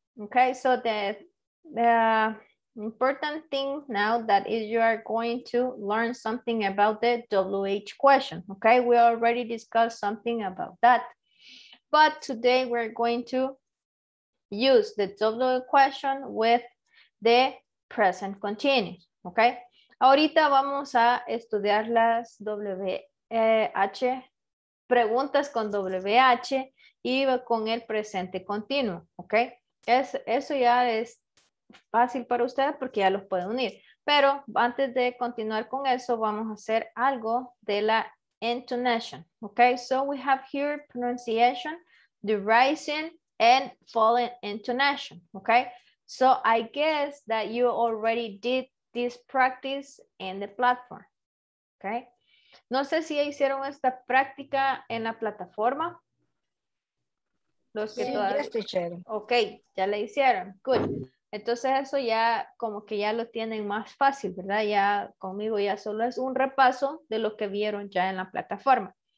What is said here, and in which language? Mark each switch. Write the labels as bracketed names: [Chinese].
[English] Okay, so the important thing now that is you are going to learn something about the WH question. Okay, we already discussed something about that. But today we're going to use the WH question with the present continuous. Okay. [Spanish] Ahorita vamos a estudiar las WH preguntas con WH y con el presente continuo, ¿ok? Eso ya es fácil para ustedes porque ya los pueden unir. Pero antes de continuar con eso, vamos a hacer algo de la intonation, ¿ok? [English] So we have here pronunciation, the rising and falling intonation, ¿ok? So I guess that you already did this practice in the platform, okay? [Spanish] No sé si hicieron esta práctica en la plataforma. Los que sí, todavía... ya estoy chévere. Okay, ya la hicieron, good. Entonces eso ya como que ya lo tienen más fácil, ¿verdad? Ya conmigo ya solo es un repaso de lo que vieron ya en la plataforma.